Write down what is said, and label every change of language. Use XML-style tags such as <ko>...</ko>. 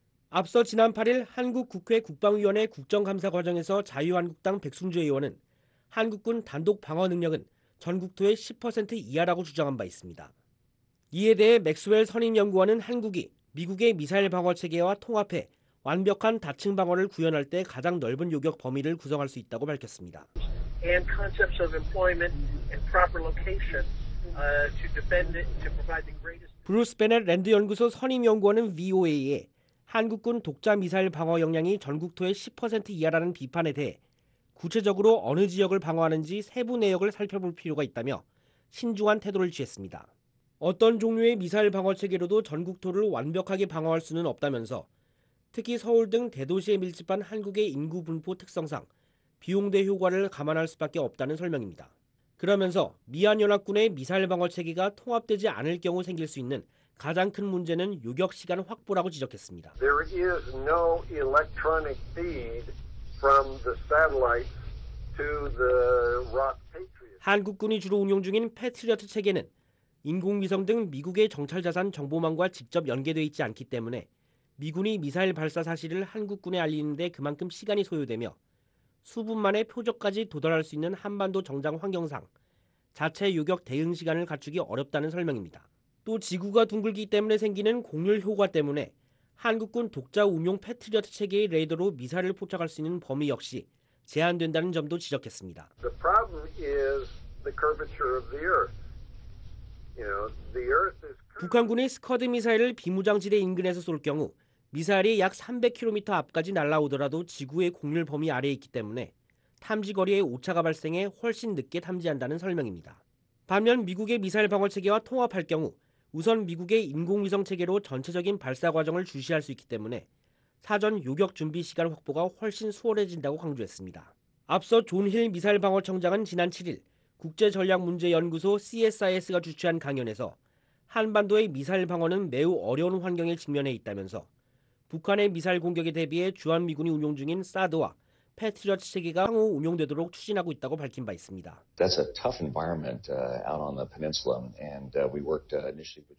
<ko>앞서 지난 8일 한국 국회 국방위원회 국정감사 과정에서 자유한국당 백승주 의원은 한국군 단독 방어 능력은 전국토의 10% 이하라고 주장한 바 있습니다. 이에 대해 맥스웰 선임연구원은 한국이 미국의 미사일 방어체계와 통합해 완벽한 다층 방어를 구현할 때 가장 넓은 요격 범위를 구성할 수 있다고 밝혔습니다.</ko> <en>And concepts of employment and proper location to defend it to provide the greatest.</en> <ko>브루스 베넷 랜드 연구소 선임 연구원은 VOA에 한국군 독자 미사일 방어 역량이 전국토의 10% 이하라는 비판에 대해 구체적으로 어느 지역을 방어하는지 세부 내역을 살펴볼 필요가 있다며 신중한 태도를 취했습니다. 어떤 종류의 미사일 방어 체계로도 전국토를 완벽하게 방어할 수는 없다면서 특히 서울 등 대도시에 밀집한 한국의 인구 분포 특성상 비용대 효과를 감안할 수밖에 없다는 설명입니다. 그러면서 미한연합군의 미사일 방어 체계가 통합되지 않을 경우 생길 수 있는 가장 큰 문제는 요격 시간 확보라고 지적했습니다.</ko> <en>There is no electronic feed from the satellites to the rock Patriot.</en> <ko>한국군이 주로 운용 중인 패트리어트 체계는 인공위성 등 미국의 정찰자산 정보망과 직접 연계되어 있지 않기 때문에 미군이 미사일 발사 사실을 한국군에 알리는 데 그만큼 시간이 소요되며 수분 만에 표적까지 도달할 수 있는 한반도 정장 환경상 자체 요격 대응 시간을 갖추기 어렵다는 설명입니다. 또 지구가 둥글기 때문에 생기는 공률 효과 때문에 한국군 독자 운용 패트리어트 체계의 레이더로 미사일을 포착할 수 있는 범위 역시 제한된다는 점도 지적했습니다.</ko> <en>The problem is the curvature of the earth. You know,</en> <ko>북한군이 스커드 미사일을 비무장지대 인근에서 쏠 경우 미사일이 약 300km 앞까지 날아오더라도 지구의 공률 범위 아래에 있기 때문에 탐지 거리에 오차가 발생해 훨씬 늦게 탐지한다는 설명입니다. 반면 미국의 미사일 방어 체계와 통합할 경우 우선 미국의 인공위성 체계로 전체적인 발사 과정을 주시할 수 있기 때문에 사전 요격 준비 시간 확보가 훨씬 수월해진다고 강조했습니다. 앞서 존 힐 미사일 방어청장은 지난 7일 국제전략문제연구소 CSIS가 주최한 강연에서 한반도의 미사일 방어는 매우 어려운 환경에 직면해 있다면서 북한의 미사일 공격에 대비해 주한미군이 운용 중인 사드와 패트리어트 체계가 향후 운용되도록 추진하고 있다고 밝힌 바 있습니다.</ko> <en>That's a tough environment out on the peninsula and we worked initially with</en>